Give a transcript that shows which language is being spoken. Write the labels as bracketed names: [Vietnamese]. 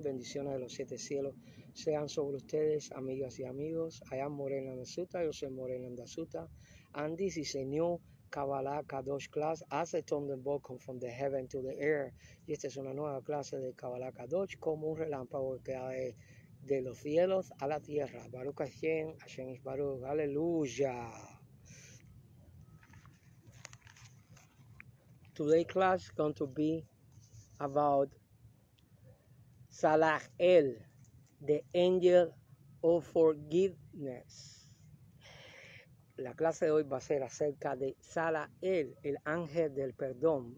[Spanish] Bendiciones de los siete cielos sean sobre ustedes, amigas y amigos. [English] I am Moreno Andasuta, [Spanish] yo soy Moreno Andasuta. [English] And this is a new Kabbalah Kadosh class, as a thunderbolt from the heaven to the air. [Spanish] Y esta es una nueva clase de Kabbalah Kadosh, como un relámpago que cae de los cielos a la tierra. [Hebrew] Baruch Hashem, Hashem is Baruch, aleluya. [English] Today's class is going to be about Salah El, the angel of forgiveness. [Spanish] La clase de hoy va a ser acerca de Salah El, el ángel del perdón.